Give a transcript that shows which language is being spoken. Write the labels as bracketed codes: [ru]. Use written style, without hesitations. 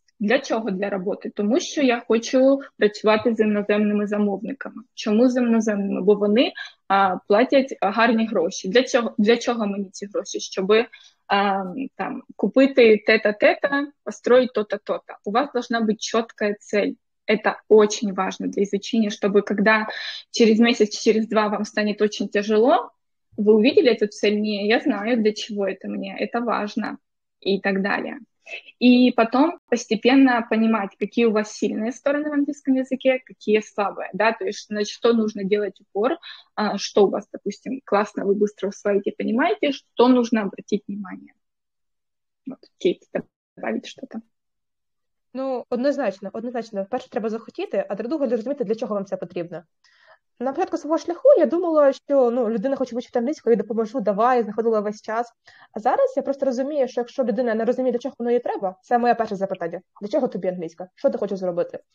[uk] Для чого для роботи? Тому що я хочу працювати з іноземними замовниками. Чому з іноземними? Бо вони платять гарні гроші. Для чого мені ці гроші? Щоби там купити тета-тета, [ru] построїть то-та-то-та. [uk] У вас [ru] должна [uk] бути чітка [ru] цель. Это очень важно для изучения, чтобы когда через месяц, через два вам станет очень тяжело, вы увидели эту цель, не, я знаю, для чего это мне, это важно, и так далее. И потом постепенно понимать, какие у вас сильные стороны в английском языке, какие слабые, да, то есть на что нужно делать упор, что у вас, допустим, классно, вы быстро усваиваете, понимаете, что нужно обратить внимание. Вот, Кейт, добавить что-то. Ну, однозначно. [uk] Вперше треба захотіти, а друге – зрозуміти, для чого вам це потрібно. На початку свого шляху я думала, що ну, людина хоче вивчити англійську, я допоможу, давай, я знаходила весь час. А зараз я просто розумію, що якщо людина не розуміє, для чого воно їй треба, це моє перше запитання. Для чого тобі англійська? Що ти хочеш зробити?